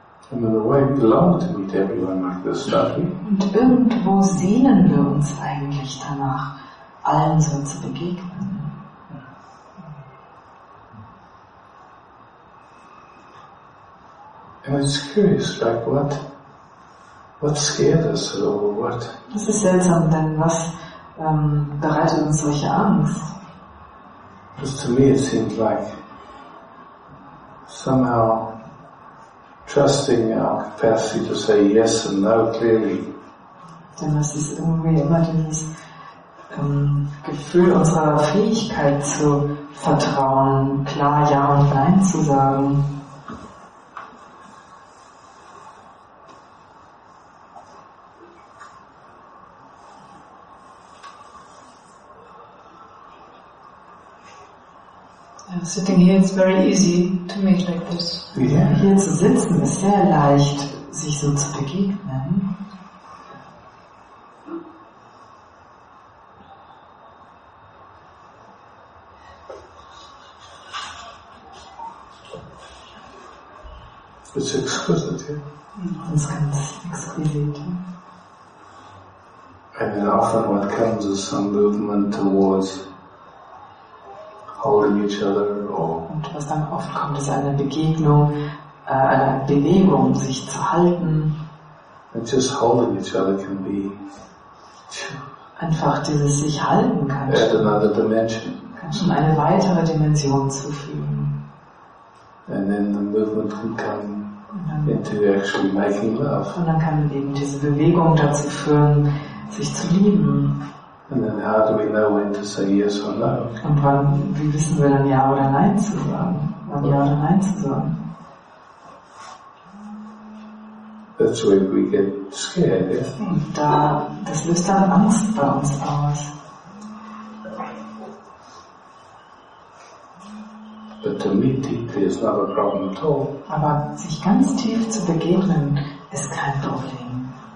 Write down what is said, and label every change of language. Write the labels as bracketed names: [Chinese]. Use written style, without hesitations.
[English] Belong to meet everyone like this, don't we? [German] Und irgendwo sehnen wir uns eigentlich danach, allen so zu begegnen. [English] And it's curious, like what scared us or what? [German] Das ist seltsam, denn was bereitet uns solche Angst? [English] Because to me it seemed like somehow trusting our capacity to say yes and no clearly. [German] Denn es ist irgendwie immer dieses Gefühl unserer Fähigkeit zu vertrauen, klar Ja und Nein zu sagen. [English] Sitting here it's very easy to meet like this. Yeah. [German] Hier zu sitzen ist sehr leicht, sich so zu begegnen. [English] It's exquisite, yeah. [German] Es ist ganz exquisite. [English] And then often what comes is some movement towards holding each other or. [German] Und was dann oft kommt, ist eine Begegnung, eine Bewegung, sich zu halten. [English] And just holding each other can be. [German] Einfach dieses sich halten kann. [English] Add another dimension. [German] Kann schon eine weitere Dimension zufügen. [English] And then the movement can come into actually making love. [German] Und dann kann eben diese Bewegung dazu führen, sich zu lieben. [English] And then how do we know when to say yes or no? [German] Und wann, wie wissen wir dann Ja oder Nein zu sagen? Wann Ja oder Nein zu sagen? [English] That's when we get scared, yeah? [German] Und da, das löst dann Angst bei uns aus. [English] But to meet deeply is not a problem at all. [German] Aber sich ganz tief zu begegnen, ist kein Problem.